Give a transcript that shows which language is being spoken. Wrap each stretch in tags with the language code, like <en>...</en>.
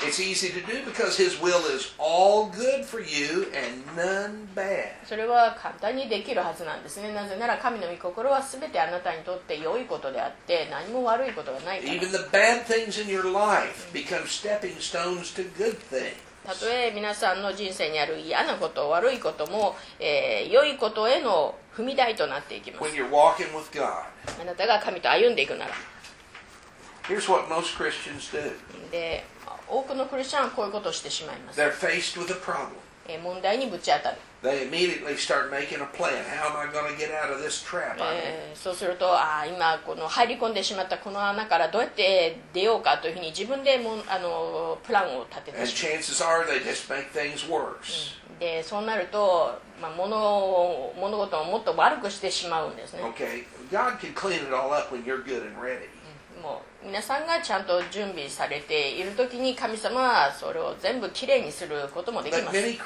<en>It's easy to do because His will is all good for you and none bad.</en> <ja>それは簡単にできるはずなんですね。なぜなら神の御心はすべてあなたにとって良いことであって何も悪いことがないから。</ja> <en>Even the bad things in your life become stepping stones to good things.</en> <ja>たとえ皆さんの人生にある嫌なこと、悪いことも、良いことへの踏み台となっていきます。あなたが神と歩んでいくなら。</ja> <en>Here's what most Christians do.</en> <ja>で、多くのクリスチャンはこういうことをしてしまいます。</ja> <en>They're faced with a problem.</en> <ja>問題にぶち当たる。</ja> <en>They immediately start making a plan. How am I going to get out of this trap?</en> <ja>そうすると、今この入り込んでしまったこの穴からどうやって出ようかというふうに自分でもプランを立てて。</ja> <en>And chances are they just make things worse.</en> <ja>で、そうなると、物事をもっと悪くしてしまうんですね。</ja> <en>Okay, God can clean it all up when you're good and ready.</en> <ja>もう皆さんがちゃんと準備されているときに神様はそれを全部きれいにすることもできます。</ja>